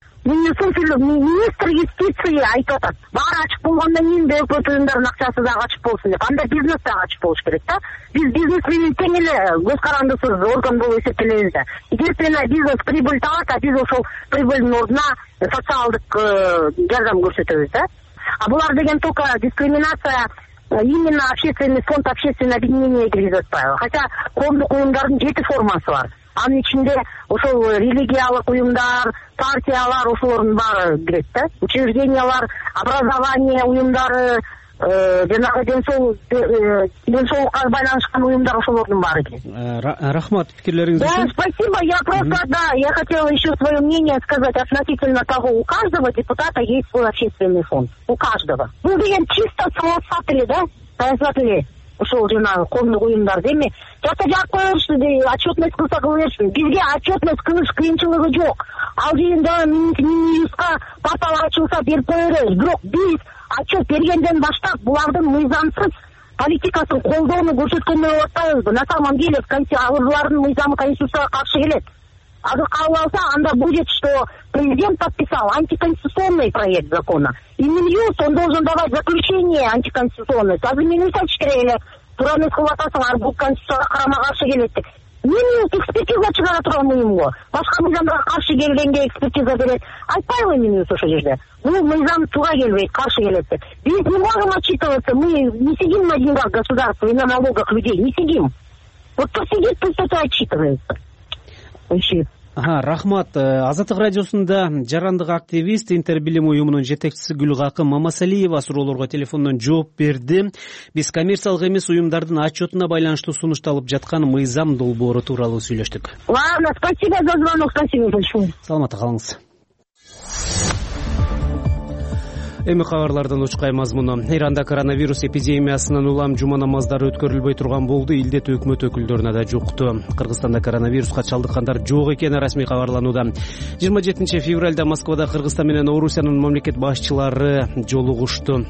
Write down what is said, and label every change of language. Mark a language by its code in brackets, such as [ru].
[ky] Министр юстиции айтып атат, баары ачык болгондон кийин өкмөт уюмдарынын акчасы дагы ачык болсун деп. Анда бизнес дагы ачык болуш керек да. Биз бизнес менен тең эле көз карандысыз орган болуп эсептелебиз да. Эгер жана бизнес прибыль табат, а биз ошол прибылдын ордуна социалдык жардам көрсөтөбүз да. [ru] А [ky] булар деген [ru] только дискриминация именно общественный фонд общественное объединение [ky] киргизип атпайбы? Хотя коомдук уюмдардын 7 формасы бар, анын ичинде ошол религиялык уюмдар, партиялар, ошолордун баары кирет да. Учреждениялар, образование уюмдары, жанагы ден соолукка байланышкан уюмдар, ошолордун баары кирет. Рахмат пикирлериңиз үчүн. [ru] Да, спасибо. Я просто да, я хотела еще свое мнение сказать относительно того, у каждого депутата есть свой общественный фонд. У каждого. [ky] Бул деген чисто саясат эле да, саясат эле. Ошол жанагы коомдук уюмдарды эми жакта жаап кое беришти, отчетность кылса кыла берсин. Бизге отчетность кылыш кыйынчылыгы жок. Ал кийин дагы Минюстка портал ачылса берип кое беребиз. Бирок биз отчет бергенден баштап булардын мыйзамсыз политикасын колдоону көрсөткөндөй болуп атпайбызбы? [ru] На самом деле [ky] алардын мыйзамы конституцияга каршы келет. Азыр кабыл алса анда [ru] будет, что президент подписал антиконституционный проект закона. И Минюст, он должен давать заключение антиконституционное. [ky] Азыр Минюст айтыш керек эле, туура эмес кылып атасың, ар бул конституцияга карама каршы келет деп. Минюст экспертиза чыгара турган уюмго, башка мыйзамдарга каршы келгенге экспертиза берет. Айтпайбы Минюст ошол жерде? Бул мыйзам туура келбейт, каршы келет деп. [ru] Биз бумагам отчитываться, мы не сидим на деньгах государства и на налогах людей, не сидим. Вот кто сидит, пусть это отчитывается. [ky] Ага, рахмат. Азаттык радиосунда жарандык активист, интербилим уюмунун жетекчиси Гүлгакым Мамасалиева суроолорго телефондон жооп берди. Биз коммерциялык эмес уюмдардын отчетуна байланыштуу сунушталып жаткан мыйзам долбоору тууралуу сүйлөштүк. [ru] Ладно, спасибо за звонок, спасибо большое. [ky] Саламатта калыңыз. Эми кабарлардын учкай мазмуну. Иранда коронавирус эпидемиясынан улам жума намаздары өткөрүлбөй турган болду, илдет өкмөт өкүлдөрүнө да жукту. Кыргызстанда коронавируска чалдыккандар жок экени расмий кабарланууда. 27 февралда Москвада Кыргызстан менен Орусиянын мамлекет башчылары жолугушту.